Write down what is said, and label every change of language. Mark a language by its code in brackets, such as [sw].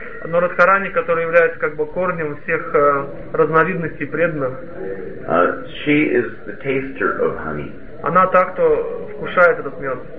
[ru] Но Радхарани, которая является как бы корнем всех разновидностей преданных. [en] She is the taster of honey. [ru] Она та, кто вкушает этот мед.